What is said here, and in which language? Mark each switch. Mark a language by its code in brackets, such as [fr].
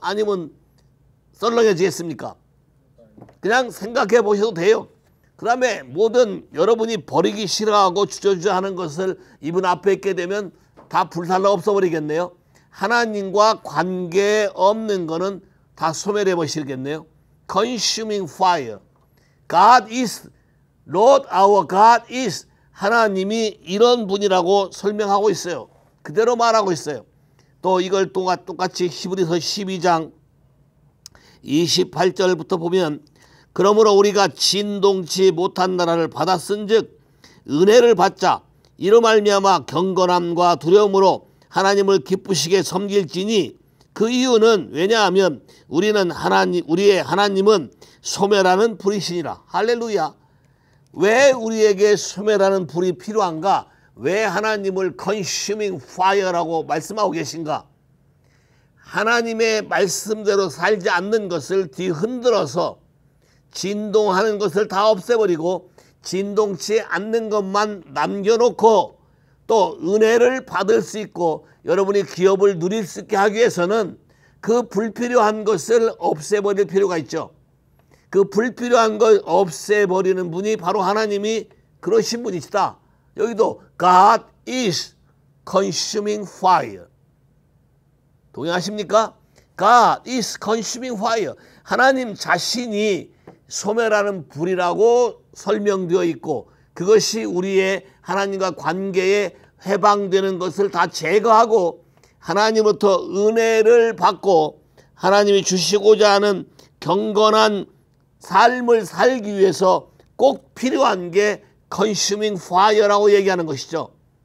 [ko] 아니면 썰렁해지겠습니까? 그냥 생각해 보셔도 돼요. 그 다음에 모든 여러분이 버리기 싫어하고 주저주저하는 것을 이분 앞에 있게 되면 다 불살라 없어버리겠네요. 하나님과 관계 없는 거는 다 소멸해 버리겠네요. [en] Consuming fire. God is, Lord our God is [ko] 하나님이 이런 분이라고 설명하고 있어요. 그대로 말하고 있어요. 또 이걸 똑같이 히브리서 12장 28절부터 보면 그러므로 우리가 진동치 못한 나라를 받았은즉 은혜를 받자 이로 말미암아 경건함과 두려움으로 하나님을 기쁘시게 섬길지니 그 이유는 왜냐하면 우리는 하나님, 우리의 하나님은 소멸하는 불이시니라. 할렐루야. 왜 우리에게 소멸하는 불이 필요한가? 왜 하나님을 consuming fire라고 말씀하고 계신가? 하나님의 말씀대로 살지 않는 것을 뒤흔들어서 진동하는 것을 다 없애버리고 진동치 않는 것만 남겨놓고 또 은혜를 받을 수 있고 여러분이 기업을 누릴 수 있게 하기 위해서는 그 불필요한 것을 없애버릴 필요가 있죠. 그 불필요한 걸 없애버리는 분이 바로 하나님이 그러신 분이시다. [en] 여기도 God is consuming fire. [ko] 동의하십니까? [en] God is consuming fire. [ko] 하나님 자신이 소멸하는 불이라고 설명되어 있고 그것이 우리의 하나님과 관계에 해방되는 것을 다 제거하고 하나님으로부터 은혜를 받고 하나님이 주시고자 하는 경건한 삶을 살기 위해서 꼭 필요한 게 consuming fire라고 얘기하는 것이죠.